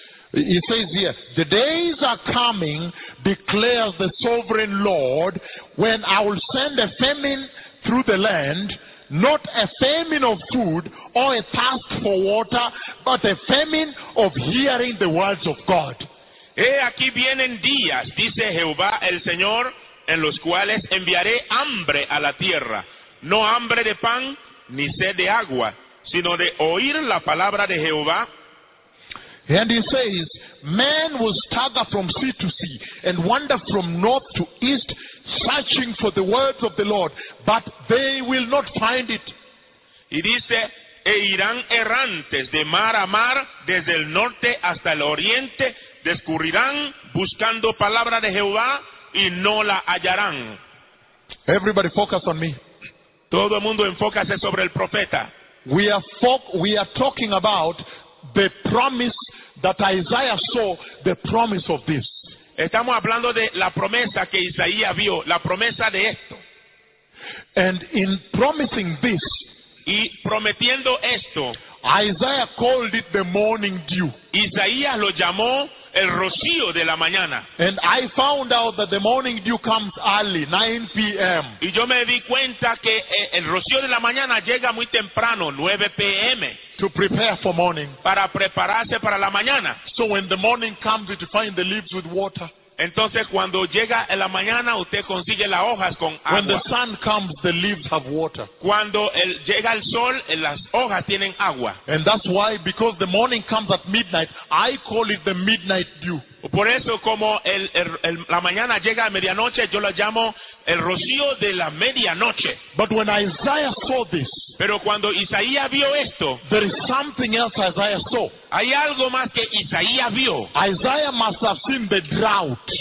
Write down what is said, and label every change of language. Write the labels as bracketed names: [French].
[English] He says here, the days are coming, declares the sovereign Lord, when I will send a famine through the land, not a famine of food or a thirst for water, but a famine of hearing the words of God. [Spanish] He aquí vienen días, dice Jehová el Señor, en los cuales enviaré hambre a la tierra, no hambre de pan ni sed de agua, sino de oír la palabra de Jehová. [English] And he says, man will stagger from sea to sea and wander from north to east, searching for the words of the Lord, but they will not find it. [Spanish] Y dice, e irán errantes de mar a mar, desde el norte hasta el oriente, descubrirán buscando palabra de Jehová y no la hallarán. [English] Everybody focus on me. [Spanish] Todo el mundo enfócase sobre el profeta. [English] We are talking about the promise that Isaiah saw, the promise of this. [Spanish] Estamos hablando de la promesa que Isaías vio, la promesa de esto. [English] And in promising this, [Spanish] y prometiendo esto, [English] Isaiah called it the morning dew. [Spanish] Isaías lo llamó el rocío de la mañana. [English] And I found out that the morning dew comes early, 9 p.m. [Spanish] Y yo me di cuenta que el rocío de la mañana llega muy temprano, 9 p.m. [English] To prepare for morning. [Spanish] Para prepararse para la mañana. [English] So when the morning comes, you find the leaves with water. [Spanish] Entonces cuando llega en la mañana, usted consigue las hojas con agua. [English] When the sun comes, the leaves have water. [Spanish] Cuando llega el sol, las hojas tienen agua. [English] And that's why, because the morning comes at midnight, I call it the midnight dew. [Spanish] Por eso, como la mañana llega a medianoche, yo lo llamo el rocío de la medianoche. [English] But when Isaiah saw this, [Spanish] pero cuando Isaías vio esto, [English] there is something else Isaiah saw. [Spanish] Hay algo más que Isaías vio. [English] Isaiah must have seen the drought.